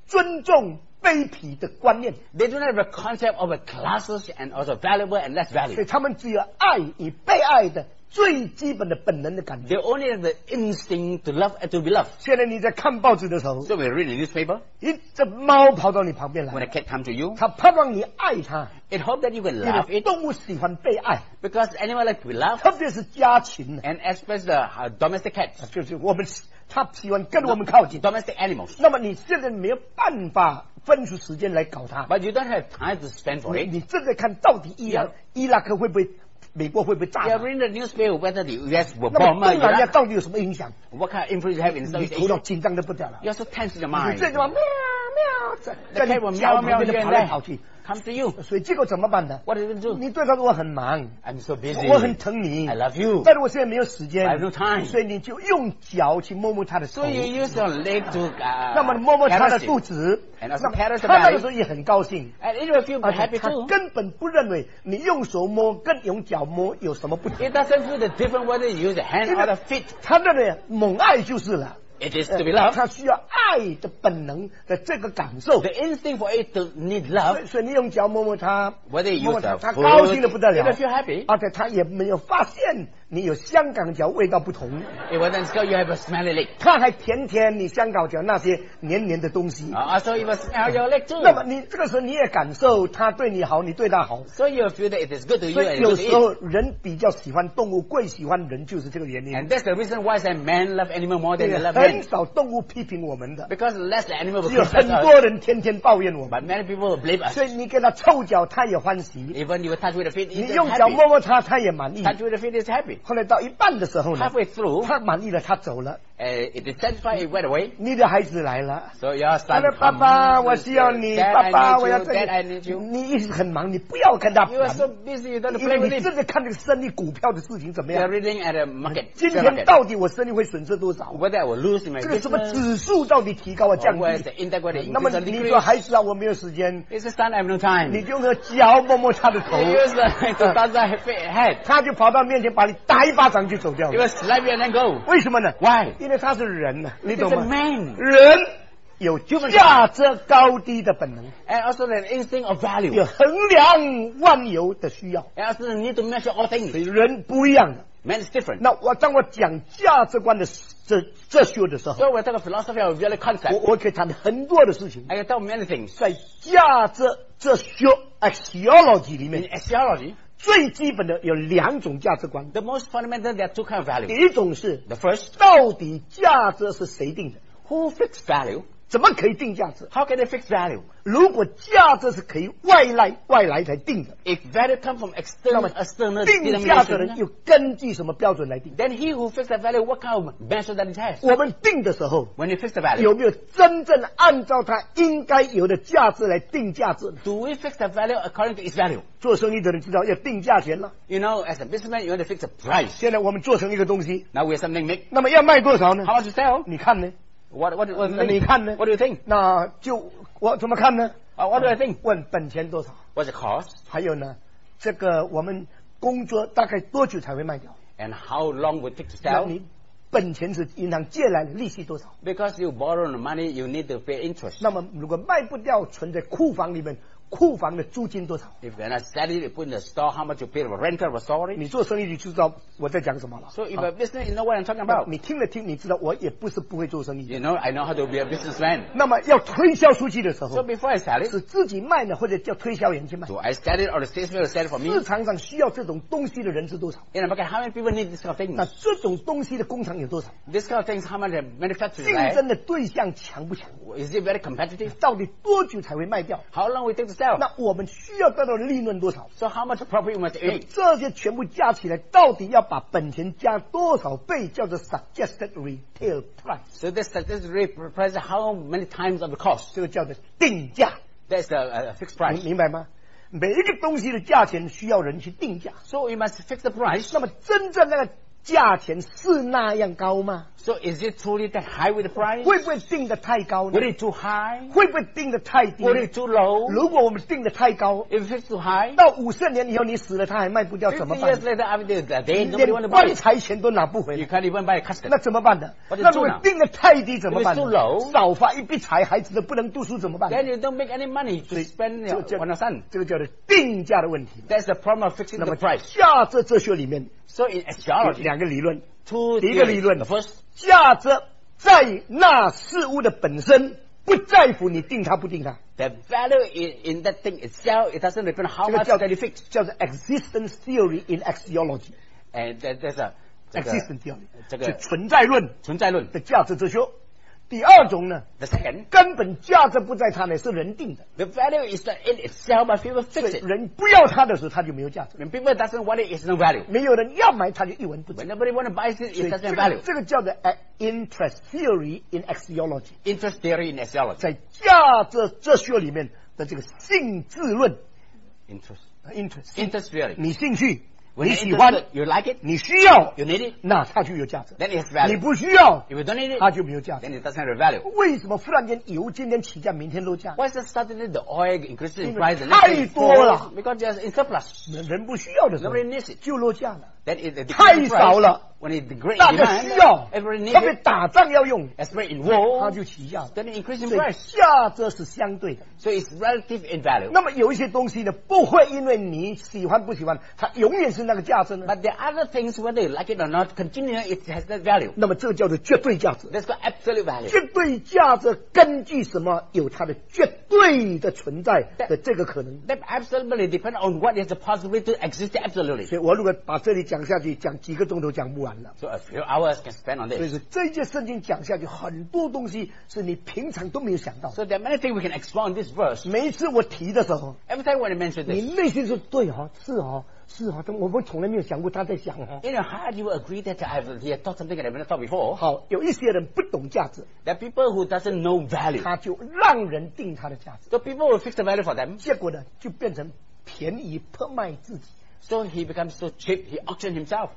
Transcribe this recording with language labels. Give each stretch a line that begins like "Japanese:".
Chinese: 他们没有辈分、高低、尊重、卑鄙的观念。
English: They do not have a concept of a classes and also valuable and less value.
Chinese: 所以他们只有爱与被爱的 最基本的本能的感觉。
English: They only have the instinct to love and to be loved.
Chinese: 现在你在看报纸的时候,
English: so we read the newspaper,
Chinese: 一只猫跑到你旁边来,
English: when a cat comes to you,
Chinese: 它盼望你爱它,
English: it hopes that you will love it.
Chinese: 动物喜欢被爱,
English: because animals like to be loved,
Chinese: 特别是家禽,
English: and especially the domestic cats,
Chinese: 就是我们, 它喜欢跟我们靠近,
English: the domestic animals.
Chinese: 那么你现在没有办法, 分出时间来搞它,
English: but you don't have time to spend for it.
Chinese: 你正在看到底伊拉克会不会, 美国会不会炸?
English: You're reading the newspaper whether the US will bomb or
Chinese: 那么东南亚到底有什么影响?
English: What kind of influence you have in South Asia?
Chinese: 你头脑紧张得不得了。
English: You're so tense in your mind.
Chinese: 你这句话喵喵在你脚旁边跑来跑去,
English: come to you.
Chinese: 所以结果怎么办呢?
English: What are you going to do?
Chinese: 你对他说我很忙,
English: I'm so busy,
Chinese: 我很疼你,
English: I love you,
Chinese: 但是我现在没有时间,
English: I have no time.
Chinese: 所以你就用脚去摸摸他的头,
English: so you use your leg to
Chinese: 那么摸摸他的肚子,
English: and also parasite,
Chinese: 他那个时候也很高兴,
English: and it will feel happy too.
Chinese: 他根本不认为你用手摸跟用脚摸有什么不同,
English: it doesn't feel the difference whether you use the hand or the feet.
Chinese: 他那个猛爱就是了,
English: it is to be loved.
Chinese: 他需要爱的本能的这个感受,
English: the instinct for it to need love.
Chinese: 所以你用脚摸摸他,
English: whether you use the
Chinese: food, 他高兴得不得了,
English: it makes you happy.
Chinese: 而且他也没有发现你有香港脚味道不同,
English: it wasn't so you have a smelly leg.
Chinese: 他还甜甜你香港脚那些黏黏的东西,
English: so you must smell your leg too.
Chinese: 那么你这个时候你也感受他对你好, 你对他好,
English: so you feel that it is good to you.
Chinese: 所以有时候人比较喜欢动物, 贵喜欢人, 就是这个原因。
English: And that's the reason why a man love animal more than they love.
Chinese: 很少动物批评我们的,
English: because less the animal will,
Chinese: 只有很多人天天抱怨我们,
English: but many people will blame us.
Chinese: 所以你给他臭脚, 他也欢喜,
English: even you touch with the feet,
Chinese: 你用脚摸摸他, 他也满意,
English: touch with the feet is happy.
Chinese: 后来到一半的时候呢,
English: halfway through,
Chinese: 他满意了, 他走了,
English: it is satisfied, it went away.
Chinese: 你的孩子来了,
English: so your son,
Chinese: 他的爸爸, 我需要你,
English: Dad,
Chinese: 爸爸,
English: I need you,
Chinese: 我要这里,
English: Dad, I need you.
Chinese: 你一直很忙, 你不要跟他,
English: you are so busy, you don't play with it.
Chinese: 你正在看这个生意股票的事情怎么样,
English: you are reading at a market,
Chinese: 今天到底我生意会损失多少,
English: whether I will lose my business,
Chinese: 这个什么指数到底提高啊降低,
English: or where is the integrity increase,
Chinese: 那么你说孩子啊, 我没有时间,
English: it's a son, I have no time.
Chinese: 你就用脚摸摸他的头,
English: you use the to touch the head,
Chinese: 他就跑到面前把你打一巴掌就走掉了,
English: you will slap you and then go.
Chinese: 为什么呢?
English: Why?
Chinese: 因为他是人啊, 人有价值高低的本能,
English: and also the instinct of value,
Chinese: 有衡量万有的需要,
English: and also the need to measure all things.
Chinese: 所以人不一样的,
English: Man is different.
Chinese: 那我当我讲价值观的哲学的时候，所以我这个
English: philosophy of value concept，
Chinese: 我可以谈很多的事情。
English: I can tell many things.
Chinese: 在价值哲学 axiology 里面
English: ，axiology
Chinese: 最基本的有两种价值观。
English: The most fundamental there are two kinds of value.
Chinese: 第一种是
English: the first，
Chinese: 到底价值是谁定的
English: ？Who fixed value？
Chinese: 怎么可以定价值
English: ？How can they fix value？
Chinese: 如果价值是可以外来才定的
English: ，If value come from external,
Chinese: 那么
English: external
Chinese: 定价值的人又根据什么标准来定
English: ？Then he who fix the value, what kind of measure that it has？
Chinese: 我们定的时候
English: ，When you fix the value，
Chinese: 有没有真正按照它应该有的价值来定价值
English: ？Do we fix the value according to its value？
Chinese: 做生意的人知道要定价钱了。
English: You know, as a businessman, you want to fix the price。
Chinese: 现在我们做成一个东西
English: ，Now we have something make。
Chinese: 那么要卖多少呢
English: ？How much to sell？
Chinese: 你看呢？
English: What
Chinese: 你看呢
English: ？What do you think？
Chinese: 那就我怎么看呢
English: ？What do I think？
Chinese: 问本钱多少
English: ？What's the cost？
Chinese: 还有呢？这个我们工作大概多久才会卖掉
English: ？And how long would it take to sell？
Chinese: 那你本钱是银行借来的，利息多少
English: ？Because you borrow the money, you need to pay interest。
Chinese: 那么如果卖不掉，存在库房里面，库房的租金多少
English: ？If you're not selling it, put in the store, how much you pay for rent or salary？
Chinese: 你做生意你就知道我在讲什么了。
English: So if a business, you know what I'm talking about？
Chinese: 你听了听，你知道我也不是不会做生意。
English: You know, I know how to be a businessman。
Chinese: 那么要推销出去的时候
English: ，So before I sell it，
Chinese: 是自己卖呢，或者叫推销员去卖
English: ？Do I sell it or the salesman sell it for me？
Chinese: 市场上需要这种东西的人是多少
English: ？In the market, how many people need this kind of things？
Chinese: 那这种东西的工厂有多少
English: ？This kind of things, how many manufacturers？
Chinese: 竞争的对象强不强
English: ？Is it very competitive？
Chinese: 到底多久才会卖掉
English: ？How long will it take？
Chinese: 那我们需要得到利润多少
English: ？So how much profit must earn？
Chinese: 这些全部加起来，到底要把本钱加多少倍，叫做
English: suggested retail price？ So this suggested retail price how many times of the cost？
Chinese: 这个叫做定价。
English: That's the fixed price。
Chinese: 明白吗？每一个东西的价钱需要人去定价。
English: So you must fix the price。
Chinese: 那么真正那个价钱是那样高吗
English: ？So is it truly that high with the price？
Chinese: 会不会定得太高呢
English: ？Would it too high？
Chinese: 会不会定得太低
English: ？Would it too low？
Chinese: 如果我们定得太高
English: ，If it's too high，
Chinese: 到五十年以后你死了，他还卖不掉怎么办
English: ？Years later, after that, they nobody want to buy。
Chinese: 连棺材钱都拿不回来
English: ，You can't even buy a casket。
Chinese: 那怎么办呢？那如果定得太低怎么办
English: ？Too low，
Chinese: 少发一笔财，孩子都不能读书怎么办
English: ？Then you don't make any money to spend on your son。
Chinese: 这个叫做定价的问题。
English: That's the problem of fixing the price。
Chinese: 价值哲学里面。
English: So in astrology,
Chinese: 两个理论
English: two
Chinese: 第一个理论
English: the first,
Chinese: 价值在那事物的本身不在乎你定它不定它
English: The value in that thing itself it doesn't depend how much that you fix 叫做 existence theory in axiology And there's a existence theory
Chinese: 这个是存在论存在论的价值哲学第二种呢
English: the second,
Chinese: 根本价值不在它呢是人定的
English: The value is not in itself but people fix it
Chinese: 人不要它的时候它就没有价值
English: When people doesn't want it, it's no value
Chinese: 没有人要买它就一文不值
English: When nobody want to buy it, it doesn't have value 这个叫做 interest theory in axiology Interest theory in axiology
Chinese: 在价值哲学里面的这个性质论
English: Interest theory
Chinese: 你兴趣
English: When、
Chinese: 你喜欢
English: ，You like it，
Chinese: 你需要
English: ，You need it，
Chinese: 那它就有价值。
English: Then it has value。
Chinese: 你不需要
English: ，If you don't need it，
Chinese: 它就没有价值。
English: Then it doesn't have value。
Chinese: 为什么忽然间油今天起价，明天落价
English: ？Why is it suddenly the oil increases in price？
Chinese: 太多了
English: ，Because there's in surplus。
Chinese: 人不需要的时候
English: ，Nobody needs it，
Chinese: 就落价了。
English: Then it
Chinese: 太少了
English: ，When it degrades，
Chinese: 大家需要
English: ，Everybody needs it，
Chinese: 特别打仗要用
English: ，Especially in war，
Chinese: 它就起价了。
English: Then it increases in price，
Chinese: 价值是相对的。
English: So it's relative in value.
Chinese: 那么有一些东西呢，不会因为你喜欢不喜欢，它永远是那个价值呢。
English: But the other things, whether you like it or not, continue it has that value.
Chinese: 那么这个叫做绝对价值。
English: That's called absolute value.
Chinese: 绝对价值根据什么有它的绝对的存在的这个可能。
English: That absolutely depends on what is the possibility to exist absolutely.
Chinese: 所以我如果把这里讲下去，讲几个钟头讲不完了。
English: So a few hours can spend on this.
Chinese: 所以这些圣经讲下去，很多东西是你平常都没有想到。
English: So there are many things we can explore on this. First,
Chinese: 每一次我提的时候
English: Every time when I mention this,
Chinese: 你内心说对哦是哦是哦但我们从来没有想过他在想、哦、
English: In your heart you will agree that I have thought something that I've never thought before
Chinese: 好有一些人不懂价值
English: That people who doesn't know value
Chinese: 他就让人定他的价值
English: So people will fix the value for them
Chinese: 结果呢就变成便宜拍卖自己
English: So he becomes so cheap he auctioned himself